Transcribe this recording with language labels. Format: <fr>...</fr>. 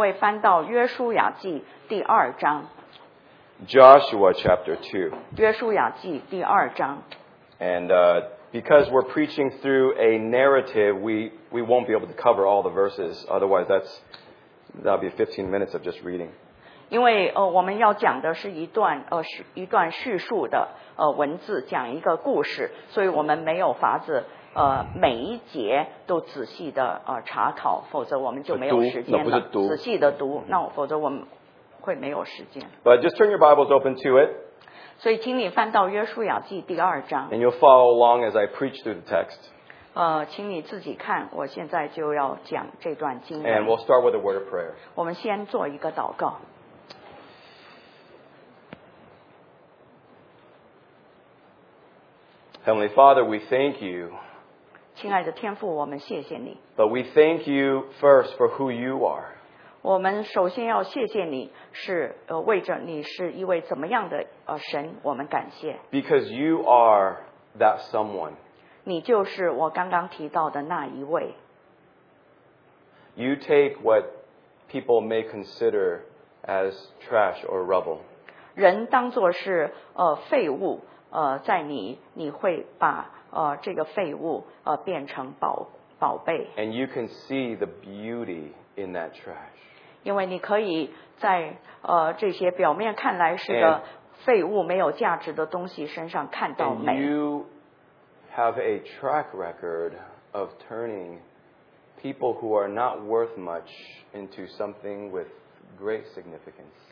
<zh>所以请各位翻到约书亚记第二章。</zh> <en>Joshua chapter 2.</en> <zh>约书亚记第二章。</zh> <en>And because we're preaching through a narrative, we won't be able to cover all the verses. Otherwise, that'll be 15 minutes of just reading.</en> <zh>因为我们要讲的是一段叙述的文字，讲一个故事，所以我们没有法子每一节都仔细的查考，否则我们就没有时间了。仔细的读，那否则我们会没有时间。</zh> <en>But just turn your Bibles open to it.</en> <zh>所以请你翻到约书亚记第二章。</zh> <en>And you'll follow along as I preach through the text.</en> <zh>请你自己看，我现在就要讲这段经文。</zh> <en>And we'll start with a word of prayer.</en> <zh>我们先做一个祷告。</zh> <en>Heavenly Father, we thank you.</en> <zh>亲爱的天父, 我们谢谢你。</zh> <en>But we thank you first for who you are.</en> <zh>我们首先要谢谢你是为着你是一位怎么样的神, 我们感谢。</zh> <en>Because you are that someone.</en> <zh>你就是我刚刚提到的那一位。</zh> <en>You take what people may consider as trash or rubble.</en> <zh>人当作是废物。在你会把这个废物变成宝贝。</zh> <en>And you can see the beauty in that trash.</en> <zh>因为你可以在这些表面看来是个废物没有价值的东西身上看到美。</zh> <en>And you have a track record of turning people who are not worth much into something with great significance.</en>